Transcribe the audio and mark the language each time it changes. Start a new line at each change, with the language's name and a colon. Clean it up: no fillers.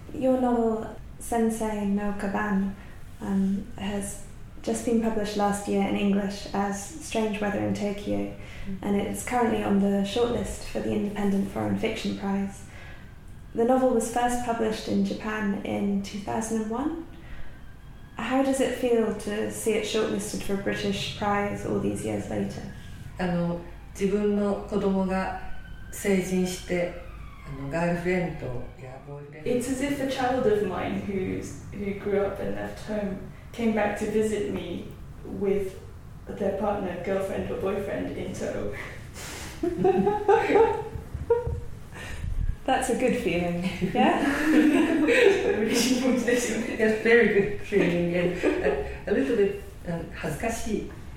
English: Your novel, Sensei no Kaban, has just been published last year in English as Strange Weather in Tokyo, and it's currently on the shortlist for the Independent Foreign Fiction Prize. The novel was first published in Japan in 2001. How does it feel to see it shortlisted for a British prize all these years later?
Japanese: 自分の子供が成人して、ガールフレンドやボーイフレンド。
English: It's as if a child of mine who grew up and left home came back to visit me with their partner, girlfriend or boyfriend in tow. That's a good feeling, yeah? It's a very good feeling and a little bit
Japanese: 恥ずかしい。